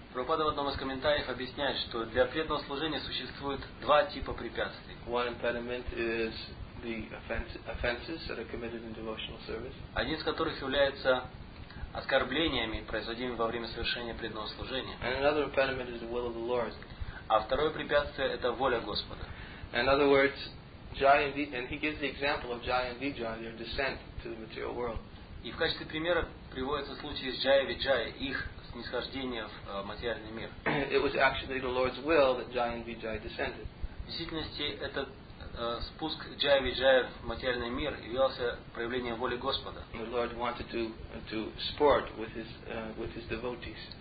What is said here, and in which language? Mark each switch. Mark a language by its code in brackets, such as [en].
[ru] Prabhupada в одном из комментариев объясняет, что для преданного служения существует два типа препятствий. [en] One impediment is the offenses that are committed in devotional service. [ru] Один из которых является оскорблениями, производимыми во время совершения преданного служения. [en] And another impediment is the will of the Lord. [ru] А второе препятствие – это воля Господа. [en] In other words, Jai and Vijay, and he gives the example of Jai and Vijay, their descent to the material world. [ru] И в качестве примера приводится случай с Джай и Виджай, их снисхождение в материальный мир. [en] It was actually the Lord's will that Jai and Vijay descended. [ru] В действительности, этот спуск Джай и Виджай в материальный мир являлся проявлением воли Господа. [en] The Lord wanted to sport with his devotees.